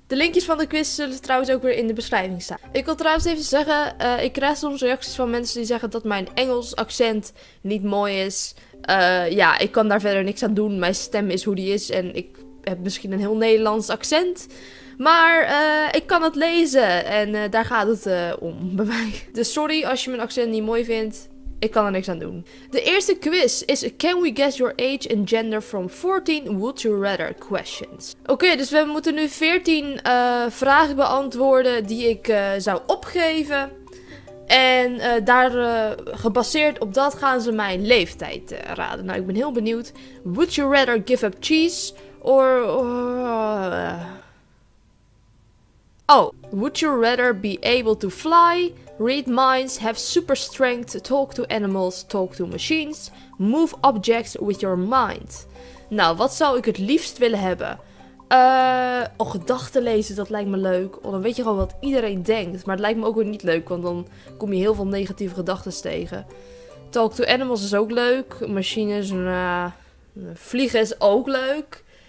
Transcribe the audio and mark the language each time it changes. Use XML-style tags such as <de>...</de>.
<nl>De linkjes van de quiz zullen trouwens ook weer in de beschrijving staan. Ik wil trouwens even zeggen, ik krijg soms reacties van mensen die zeggen dat mijn Engels accent niet mooi is. Ja, ik kan daar verder niks aan doen, mijn stem is hoe die is en ik heb misschien een heel Nederlands accent. Maar ik kan het lezen en daar gaat het om bij mij. Dus sorry als je mijn accent niet mooi vindt, ik kan er niks aan doen. De eerste quiz is</nl> <en>Can we guess your age and gender from 14 would you rather questions?</en> <nl>Oké, dus we moeten nu 14 vragen beantwoorden die ik zou opgeven. En daar gebaseerd op dat gaan ze mijn leeftijd raden. Nou, ik ben heel benieuwd.</nl> <en>Would you rather give up cheese or... Oh, would you rather be able to fly, read minds, have super strength, talk to animals, talk to machines, move objects with your mind?</en> <nl>Nou, wat zou ik het liefst willen hebben? Gedachten lezen, dat lijkt me leuk. Oh, dan weet je gewoon wat iedereen denkt. Maar het lijkt me ook weer niet leuk, want dan kom je heel veel negatieve gedachten tegen.</nl> <en>Talk to animals</en> <nl>is ook leuk. Machines, vliegen is ook leuk.</nl>